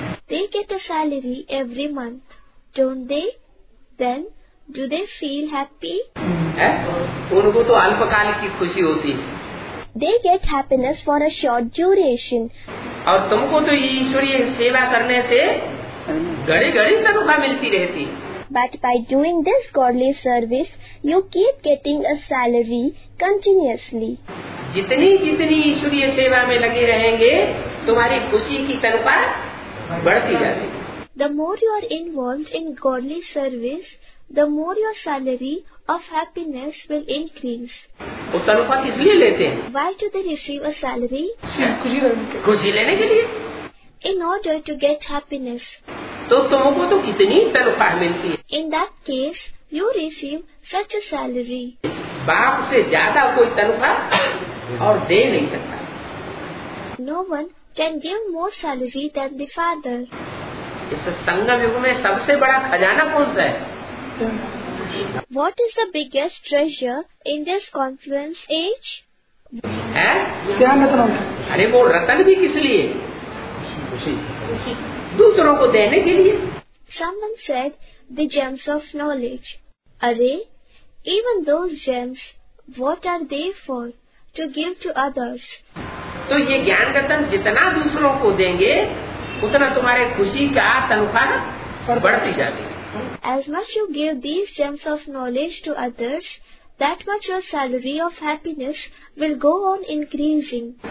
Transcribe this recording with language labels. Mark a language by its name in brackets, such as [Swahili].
[English] They get a salary every month, don't they? Then do they feel happy? [Hindi] उनको तो अल्पकाल की खुशी होती है। [English] They get happiness for a short duration. [Hindi] और तुमको तो ईश्वरीय सेवा करने से घड़ी घड़ी तनख्वाह मिलती रहती है। [English] But by doing this godly service, you keep getting a salary continuously. [Hindi] जितनी जितनी ईश्वरीय सेवा में लगे रहेंगे, तुम्हारी खुशी की तनख्वाह बढ़ती जाएगी। [English] The more you are involved in godly service, the more your salary of happiness will increase. [Hindi] वो तनख्वाह किस लिए लेते हैं? [English] Why do they receive a salary? [Hindi] खुशी लेने के लिए। [English] In order to get happiness. [Hindi] तो तुमको तो कितनी तनख्वाह मिलती है? [English] In that case you receive such a salary. [Hindi] बाप से ज्यादा कोई तनख्वाह और दे नहीं सकता। [English] No one can give more salary than the father. [Hindi] इस संगम युग में सबसे बड़ा खजाना कौन सा है? [English] What is the biggest treasure in this confluence age? [Hindi] है क्या मतलब? अरे वो रतन भी किस लिए? दूसरों को देने के लिए। [English] Someone said the gems of knowledge. अरे even those gems, what are they for? To give to others. [Hindi] तो ये ज्ञान रत्न जितना दूसरों को देंगे उतना तुम्हारे खुशी का तनख्वाह बढ़ती जाती है। [English] As much you give these gems of knowledge to others, that much your salary of happiness will go on increasing.